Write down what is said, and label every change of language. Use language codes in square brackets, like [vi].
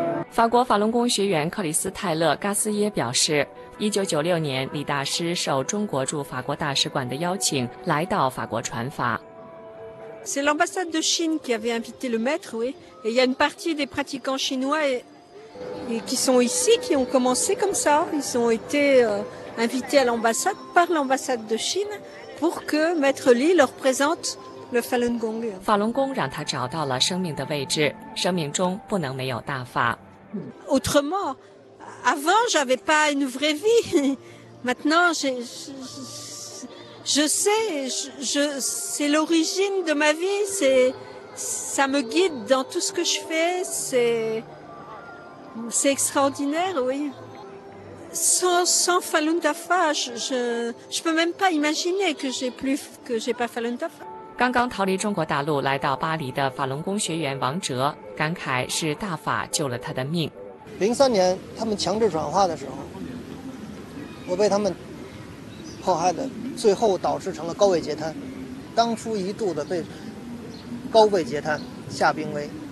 [zh] 法国法轮功学员克里斯泰勒·嘎斯耶表示，1996年李大师受中国驻法国大使馆的邀请来到法国传法。 [fr] C'est l'ambassade de Chine qui avait invité le maître, oui. Et il y a une partie des pratiquants chinois et... Et qui sont ici, qui ont commencé comme ça. Ils ont été invités à l'ambassade par l'ambassade de Chine pour que Maître Li leur présente le Falun Gong. [zh] 法轮功让他找到了生命的位置，生命中不能没有大法。 [fr] Autrement, avant, j'avais pas une vraie vie. Maintenant, je sais, c'est l'origine de ma vie. Ça me guide dans tout ce que je fais. C'est extraordinaire, oui. Sans Falun Dafa, je peux même pas imaginer que j'ai pas Falun Dafa. [zh] 刚刚逃离中国大陆来到巴黎的法轮功学员王哲感慨，是大法救了他的命。 2003年他们强制转化的时候，我被他们迫害的，最后导致成了高位截瘫。当初一度的被高位截瘫下病危。